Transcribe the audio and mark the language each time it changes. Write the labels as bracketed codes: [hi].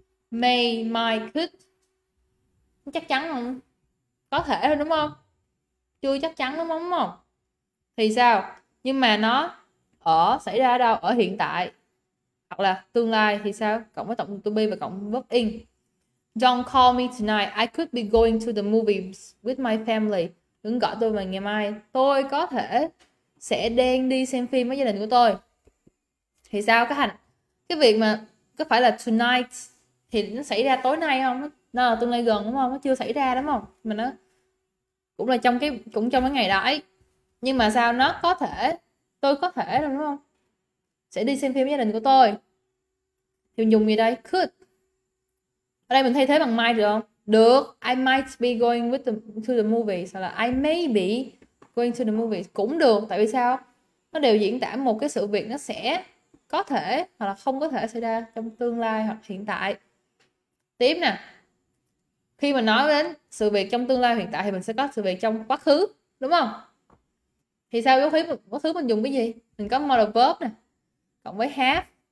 [vi] May, might, could. Chắc chắn không? Có thể thôi đúng không? Chưa chắc chắn đúng không? Thì sao? Nhưng mà nó ở xảy ra ở đâu? Ở hiện tại hoặc là tương lai thì sao? Cộng với tổng to be và cộng verb in. [en] Don't call me tonight. I could be going to the movies with my family. [vi] Đừng gọi tôi vào ngày mai. Tôi có thể sẽ đang đi xem phim với gia đình của tôi. Thì sao cái hành? Cái việc mà có phải là tonight thì nó xảy ra tối nay không? Nó là tương lai gần đúng không? Nó chưa xảy ra đúng không? Mà nó cũng là trong cái cũng trong cái ngày đó ấy. Nhưng mà sao nó có thể? Tôi có thể đúng không? Sẽ đi xem phim với gia đình của tôi. Thì mình dùng gì đây? Could. Ở đây mình thay thế bằng might được không? Được. [en] I might be going with the, to the movies. Hoặc là I may be going to the movies. [vi] Cũng được. Tại vì sao? Nó đều diễn tả một cái sự việc nó sẽ có thể hoặc là không có thể xảy ra trong tương lai hoặc hiện tại. Tiếp nè. Khi mà nói đến sự việc trong tương lai hiện tại thì mình sẽ có sự việc trong quá khứ. Đúng không? Thì sao quá khứ mình dùng cái gì? Mình có modal verb nè. Cộng với have.